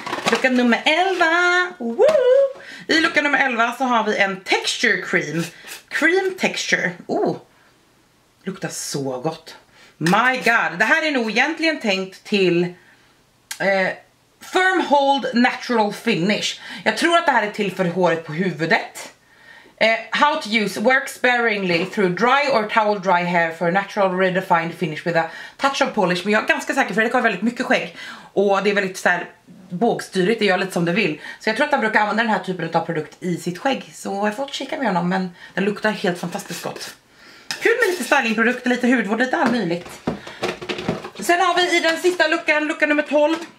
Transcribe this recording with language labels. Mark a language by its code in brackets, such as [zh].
[sv] Lucka nummer 11. I lucka nummer 11 så har vi en texture cream. Cream texture. Luktar så gott. [en] My god, [sv] det här är nog egentligen tänkt till [en] firm hold natural finish. [sv] Jag tror att det här är till för håret på huvudet. [en] How to use, work sparingly through dry or towel dry hair for a natural redefined finish with a touch of polish. [sv] Men jag är ganska säker, för det har väldigt mycket skägg. Och det är väldigt så här bågstyrigt, det gör lite som det vill. Så jag tror att han brukar använda den här typen av produkt i sitt skägg. Så jag får kika med honom, men den luktar helt fantastiskt gott. Kul med lite stylingprodukter, lite hudvård, lite all möjligt. Sen har vi i den sista luckan, lucka nummer 12.